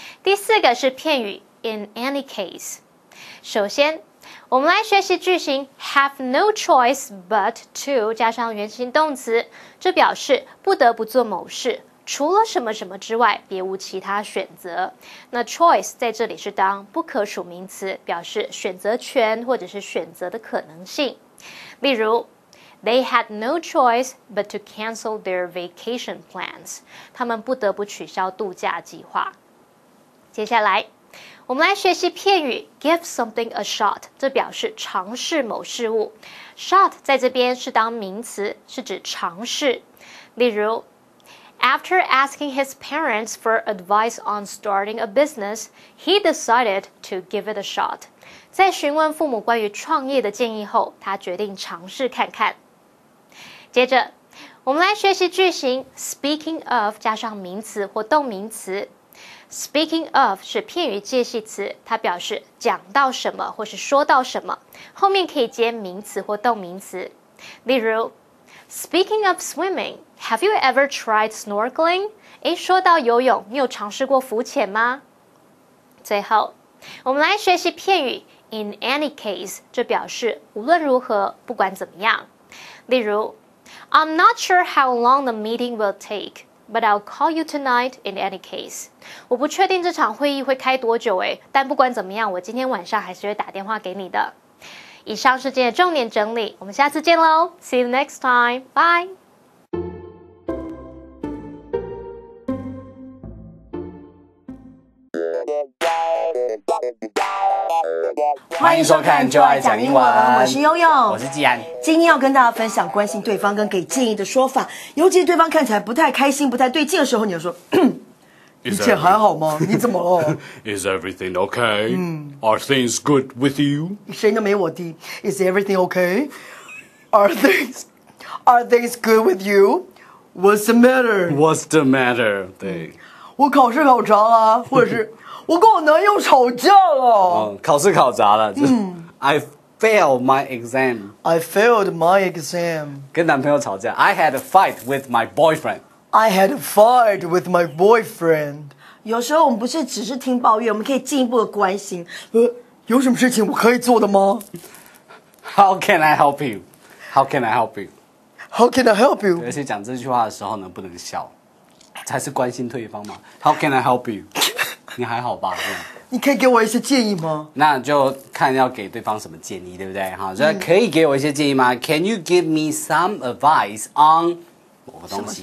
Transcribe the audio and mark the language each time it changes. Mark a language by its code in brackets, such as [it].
[zh] 第四个是片语 [en] in any case。 [zh] 首先我们来学习句型 [en] have no choice but to [zh] 加上原形动词，这表示不得不做某事，除了什么什么之外别无其他选择。那 choice 在这里是当不可数名词，表示选择权或者是选择的可能性。例如 [en] They had no choice but to cancel their vacation plans. [zh] 他们不得不取消度假计划。接下来，我们来学习片语 [en] give something a shot. [zh] 这表示尝试某事物。Shot 在这边是当名词，是指尝试。例如 [en] ，After asking his parents for advice on starting a business, he decided to give it a shot. [zh] 在询问父母关于创业的建议后，他决定尝试看看。接着我们来学习句型 [en] speaking of [zh] 加上名词或动名词。 [en] speaking of [zh] 是片语介系词，它表示讲到什么或是说到什么，后面可以接名词或动名词。例如 [en] speaking of swimming, have you ever tried snorkeling? [zh] 说到游泳，你有尝试过浮潜吗？最后我们来学习片语 [en] in any case, [zh] 这表示无论如何，不管怎么样。例如 [en] I'm not sure how long the meeting will take, but I'll call you tonight in any case. [zh] 我不确定这场会议会开多久诶，但不管怎么样，我今天晚上还是会打电话给你的。以上是今天的重点整理，我们下次见咯。 [en] See you next time. Bye. [zh] 欢迎收看就爱讲英文，我是悠悠，我是季安。今天要跟大家分享关心对方跟给建议的说法，尤其是对方看起来不太开心不太对劲的时候，你就说一切还好吗？你怎么了？ [en] Is everything okay? Are things good with you? [zh] 谁都没我低。 [en] Is everything okay? Are things good with you? What's the matter? What's the matter? [zh] 对，我考试考砸了，或者是我跟我男友吵架了。考试考砸了， [en] I failed my exam. I failed my exam. [zh] 跟男朋友吵架。 [en] I had a fight with my boyfriend. I had a fight with my boyfriend. [zh] 有时候我们不是只是听抱怨，我们可以进一步的关心。有什么事情我可以做的吗？ [en] How can I help you? How can I help you? How can I help you? [zh] 而且讲这句话的时候呢，不能笑，才是关心对方嘛。 [en] How can I help you? [zh] 你还好吧？你可以给我一些建议吗？那就看要给对方什么建议，对不对？哈，就可以给我一些建议吗？ [en] Can you give me some advice on [zh] 某个东西？